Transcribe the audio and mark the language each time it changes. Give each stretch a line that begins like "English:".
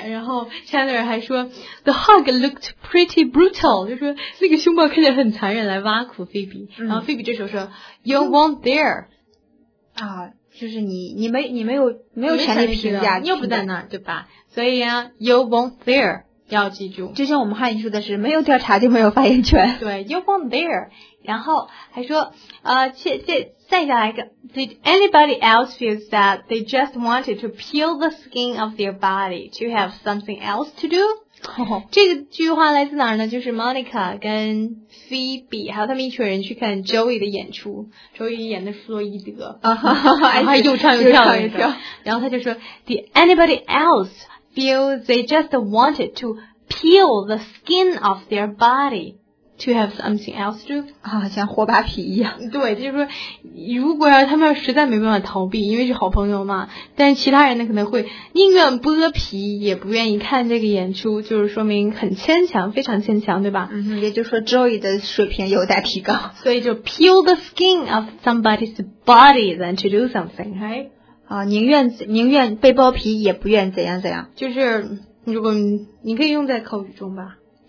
Chinese: 然后 Chandler 还说
English: The hug looked pretty brutal,
Chinese: 就说那个凶暴看起来很残忍，来挖苦 Phoebe。然后 Phoebe 这时候说
English: You weren't there.
Chinese: 就是你没有权利评价，你又不在那儿对吧？所以啊 ，
English: you weren't there,
Chinese: 要记住。就像我们汉语说的是，没有调查就没有发言权。
English: 对 ，you weren't there,
Chinese: 然后还说，再下来一个
English: ，did anybody else feel that they just wanted to peel the skin of their body to have something else to do?
Chinese: 这个句话来自哪儿呢？就是 Monica 跟 Phoebe 还有他们一群人去看 Joey 的演出， Joey 演的弗洛伊德，然后又唱又跳又跳，然后他就说
English: Did anybody else feel they just wanted to peel the skin off their body to have something else to do?
Chinese: 啊，像活扒皮一样。对，就是说如果他们实在没办法逃避，因为是好朋友嘛，但其他人呢可能会宁愿剥皮也不愿意看这个演出，就是说明很牵强，非常牵强，对吧？嗯，也就是说 Joey 的水平有待提高。所以就
English: peel the skin of somebody's body than to do something, right?
Chinese: 啊，宁愿被剥皮也不愿怎样怎样。就是如果你可以用在口语中吧。